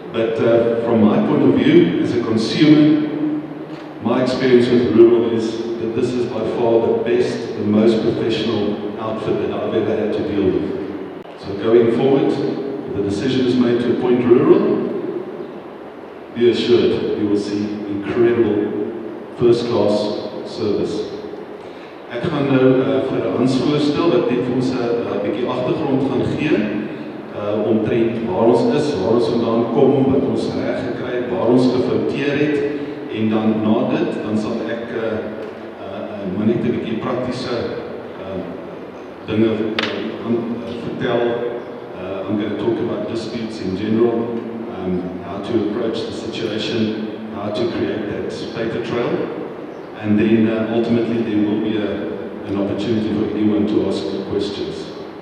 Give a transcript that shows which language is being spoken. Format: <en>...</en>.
<en>But from my point of view, as a consumer, my experience with rural is that this is by far the best, the most professional outfit that I've ever had to deal with. So going forward, if the decision is made to appoint rural, be assured you will see incredible first-class service.</en> <af>Ek gaan nou vir Hans voorstel dat net ons 'n bietjie agtergrond gaan gee omtrent waar ons is, waar ons vandaan kom, wat ons reg gekry het, waar ons gefouteer het, en dan na dit, dan sal ek maar net 'n bietjie praktiese dinge vertel.</af> <en>I'm going to talk about disputes in general, how to approach the situation, how to create that paper trail, and then ultimately there will be an opportunity for anyone to ask questions.</en>